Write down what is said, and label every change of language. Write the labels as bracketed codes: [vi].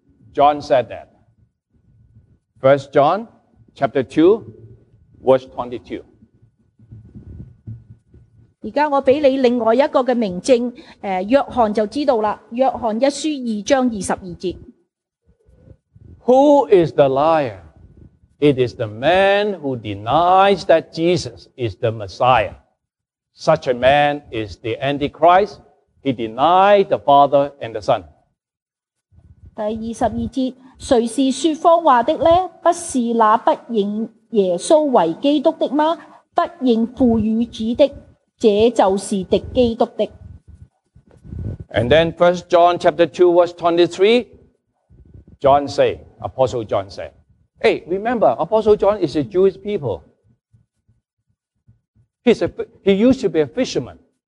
[en] John said that. 1 John chapter 2, verse 22. [zh] 现在我给你另外一个的明证，约翰就知道了。约翰一书二章二十二节。 [en] Who is the liar? It is the man who denies that Jesus is the Messiah. Such a man is the Antichrist. He denied the Father and the Son. [zh] 第二十二节，谁是说谎话的呢？不是那不认耶稣为基督的吗？不认父与子的，这就是敌基督的。 [en] And then 1 John chapter 2 verse 23, John say, Apostle John say, Hey, remember, Apostle John is a Jewish people. He used to be a fisherman.